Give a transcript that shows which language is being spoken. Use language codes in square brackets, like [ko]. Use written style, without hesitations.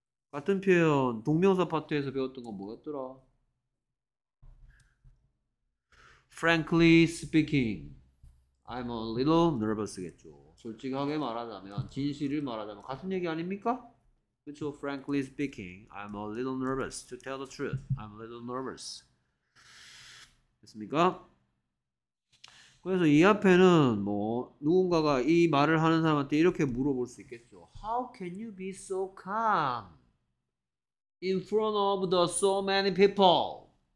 [ko] 같은 표현, 동명사 파트에서 배웠던 건 뭐였더라? [en] Frankly speaking, I'm a little nervous겠죠. [ko] 솔직하게 말하자면, 진실을 말하자면 같은 얘기 아닙니까? [en] 그렇죠. Frankly speaking, I'm a little nervous. To tell the truth, I'm a little nervous. [ko] 됐습니까? 그래서 이 앞에는 뭐 누군가가 이 말을 하는 사람한테 이렇게 물어볼 수 있겠죠. [en] How can you be so calm in front of the so many people?